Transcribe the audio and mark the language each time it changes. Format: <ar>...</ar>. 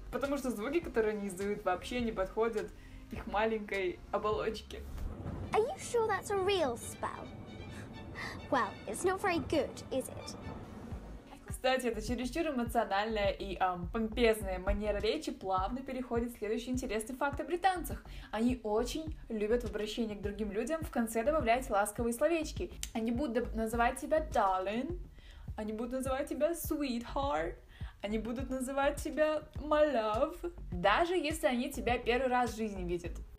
<ru>Потому что звуки, которые они издают, вообще не подходят их маленькой оболочке.</ru> <en>Are you sure that's a real spell? Well, it's not very good, is it?</en> <ru>Кстати, это чересчур эмоциональная и помпезная манера речи плавно переходит в следующий интересный факт о британцах. Они очень любят в обращении к другим людям в конце добавлять ласковые словечки. Они будут называть тебя darling, они будут называть тебя sweetheart, они будут называть тебя</ru> <en>my love,</en> <ru>даже если они тебя первый раз в жизни видят.</ru>